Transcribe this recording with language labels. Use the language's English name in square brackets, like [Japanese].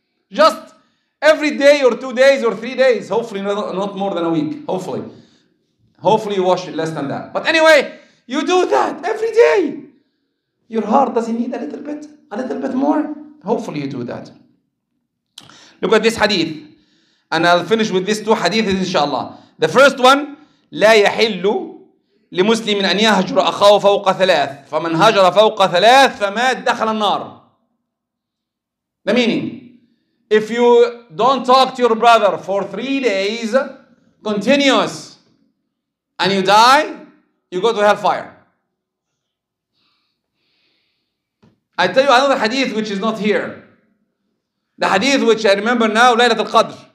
[English] Just every day or 2 days or 3 days, hopefully not more than a week, hopefully. Hopefully you wash it less than that. But anyway, you do that every day. Your heart, does it need a little bit more? Hopefully you do that. Look at this hadith. And I'll finish with these two hadiths, inshallah. The first one, [Arabic] لا يحل لمسلم أن يهجر أخاه فوق ثلاث فمن هجر فوق ثلاث فمات دخل النار. [English] The meaning, if you don't talk to your brother for 3 days continuous and you die, you go to hellfire. I tell you another hadith which is not here. The hadith which I remember now, Laylatul Qadr.